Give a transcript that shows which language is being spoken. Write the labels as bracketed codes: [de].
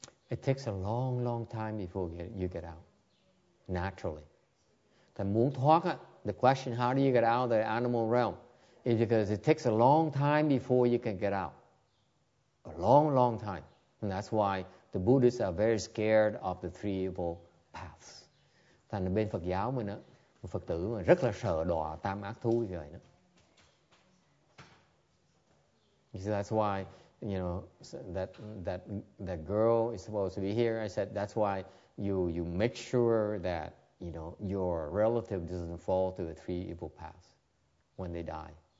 [en] It takes a long, long time before you get out. Naturally. [vi] Thầy muốn thoát á, [en] the question how do you get out of the animal realm is because it takes a long time before you can get out. A long, long time. And that's why the Buddhists are very scared of the three evil paths. [vi] Thành bên Phật giáo mình á, một Phật tử mà rất là sợ đọa tam ác thú như vậy đó. [en] So that's why, you know, that girl is supposed to be here. I said that's why you make sure that, you know, your relative doesn't fall to the three evil paths when they die.